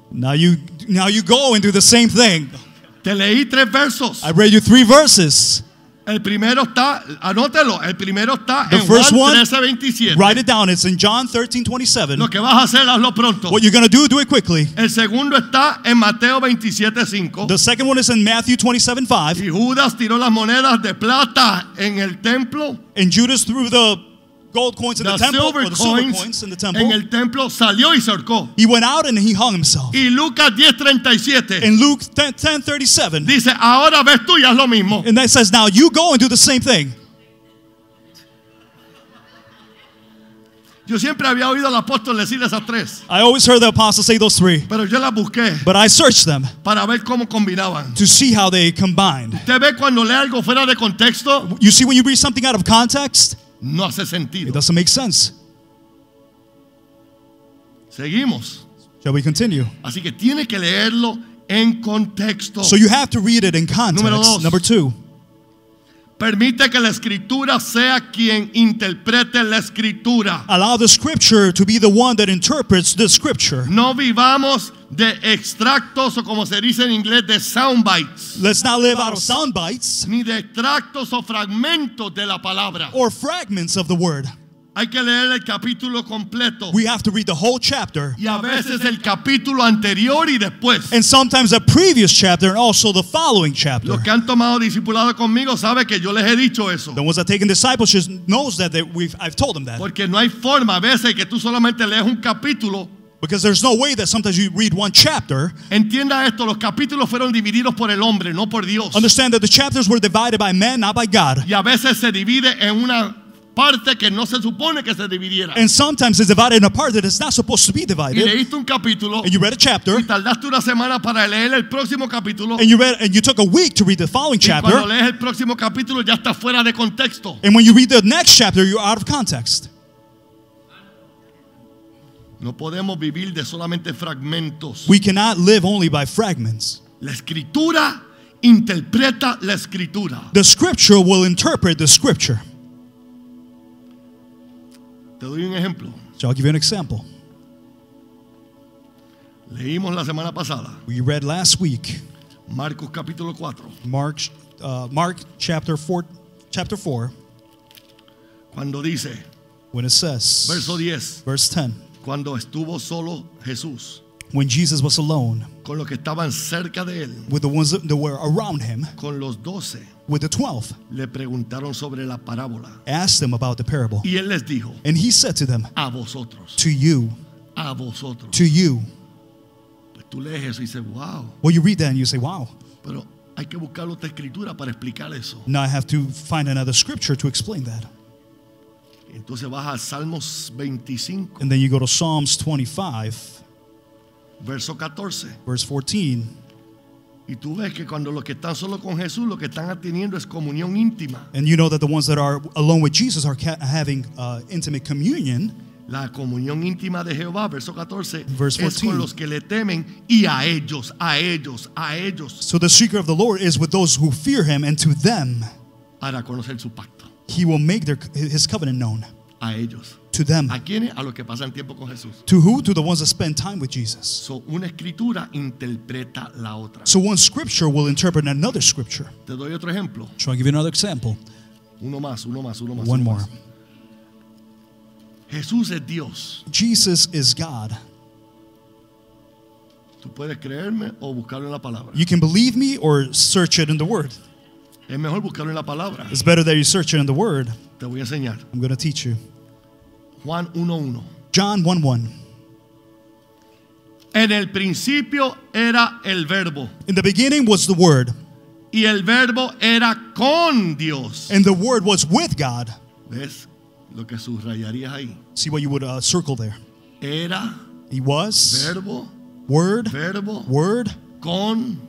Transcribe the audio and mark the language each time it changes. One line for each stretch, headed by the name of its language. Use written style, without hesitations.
English: Now you go and do the same thing.
Spanish: Te leí tres versos.
English: I read you three verses.
Spanish: El primero está, anótelo, el primero está en Juan 13:27.
English: Write it down, it's in John 13:27.
Spanish: Lo que vas a hacer, hazlo pronto.
English: What you're going to do it quickly.
Spanish: El segundo está en Mateo 27:5.
English: The second one is in Matthew 27:5.
Spanish: Y Judas tiró las monedas de plata en el templo.
English: And Judas threw the gold coins in the temple. Silver or the coins silver coins in the temple.
Spanish: En el templo salió y se ahorcó.
English: He went out and he hung himself.
Spanish: Y Lucas 10:37.
English: In Luke 10:37.
Spanish: Dice, ahora ves tú y haz lo mismo.
English: And that says, now you go and do the same thing.
Spanish: Yo siempre había oído al apóstol decir esas tres.
English: I always heard the apostle say those three.
Spanish: Pero yo las busqué.
English: But I searched them.
Spanish: Para ver cómo combinaban.
English: To see how they combined.
Spanish: ¿Te ve cuando lee algo fuera de contexto?
English: You see when you read something out of context?
Spanish: No hace sentido.
English: It doesn't make sense.
Spanish: Seguimos.
English: Shall we continue?
Spanish: Así que tiene que leerlo en contexto.
English: So you have to read it in context.
Spanish: Número dos.
English: Number two.
Spanish: Permite que la escritura sea quien interprete la escritura.
English: Allow the scripture to be the one that interprets the scripture.
Spanish: No vivamos de extractos o como se dice en inglés de sound bites.
English: Let's not live out of sound bites.
Spanish: Ni de extractos o fragmentos de la palabra.
English: Or fragments of the word.
Spanish: Hay que leer el capítulo completo.
English: We have to read the whole chapter.
Spanish: Y a veces el capítulo anterior y después.
English: And sometimes a previous chapter and also the following chapter.
Spanish: Los que han tomado discipulado conmigo sabe que yo les he dicho eso.
English: The ones that taken discipleship knows that I've told them that.
Spanish: Porque no hay forma a veces que tú solamente lees un capítulo.
English: Because there's no way that sometimes you read one chapter.
Spanish: Entienda esto, los capítulos fueron divididos por el hombre, no por Dios.
English: Understand that the chapters were divided by man, not by God.
Spanish: Y a veces se divide en una parte que no se supone que se dividiera.
English: And sometimes it's divided in a part that is not supposed to be divided.
Spanish: Y leíste un capítulo.
English: And you read a chapter.
Spanish: Y tardaste una semana para leer el próximo capítulo.
English: And you took a week to read the following chapter.
Spanish: Y cuando lees el próximo capítulo ya está fuera de contexto.
English: And when you read the next chapter, you're out of context.
Spanish: No podemos vivir de solamente fragmentos.
English: We cannot live only by fragments.
Spanish: La escritura interpreta la escritura.
English: The scripture will interpret the scripture.
Spanish: Te doy un ejemplo.
English: So I'll give you an example.
Spanish: Leímos la semana pasada.
English: We read last week.
Spanish: Marcos capítulo 4.
English: Mark chapter 4.
Spanish: Cuando dice.
English: When it says.
Spanish: Verso 10.
English: Verse 10.
Spanish: Cuando estuvo solo Jesús.
English: When Jesus was alone.
Spanish: Con los que estaban cerca de él.
English: With the ones that were around him.
Spanish: Con los 12.
English: With the 12.
Spanish: Le preguntaron sobre la parábola.
English: Asked them about the parable.
Spanish: Y él les dijo.
English: And he said to them.
Spanish: A vosotros.
English: To you.
Spanish: A vosotros.
English: To you.
Spanish: Tú lees eso y dices, wow.
English: Well, you read that and you say, wow.
Spanish: Pero hay que buscar otra escritura para explicar eso.
English: Now I have to find another scripture to explain that.
Spanish: Entonces vas a Salmos 25.
English: And then you go to Psalms 25.
Spanish: Verso 14.
English: Verse 14.
Spanish: Y tú ves que cuando los que están solo con Jesús, los que están teniendo es comunión íntima.
English: And you know that the ones that are alone with Jesus are having intimate communion.
Spanish: La comunión íntima de Jehová, verso 14,
English: verse 14,
Spanish: es con los que le temen y a ellos, a ellos, a ellos.
English: So the secret of the Lord is with those who fear him, and to them
Spanish: hará conocer su pacto.
English: He will make his covenant known.
Spanish: A ellos.
English: To them.
Spanish: ¿A quiénes? A los que pasan tiempo con Jesús.
English: To who? To the ones that spend time with Jesus.
Spanish: So una escritura interpreta la otra.
English: So one scripture will interpret another scripture.
Spanish: Te doy otro ejemplo.
English: So I'll give you another example.
Spanish: Uno más, uno más, uno más.
English: One more.
Spanish: Jesús es Dios.
English: Jesus is God.
Spanish: Tú puedes creerme o buscarlo en la palabra.
English: You can believe me or search it in the word.
Spanish: Es mejor buscarlo en la palabra.
English: It's better that you search it in the word.
Spanish: Te voy a enseñar.
English: I'm going to teach you.
Spanish: Juan 1:1.
English: John 1:1.
Spanish: En el principio era el verbo.
English: In the beginning was the word.
Spanish: Y el verbo era con Dios.
English: And the word was with God.
Spanish: ¿Ves? Lo que subrayarías ahí.
English: See what you would circle there.
Spanish: Era.
English: He was.
Spanish: Verbo.
English: Word.
Spanish: Verbo.
English: Word.
Spanish: Con.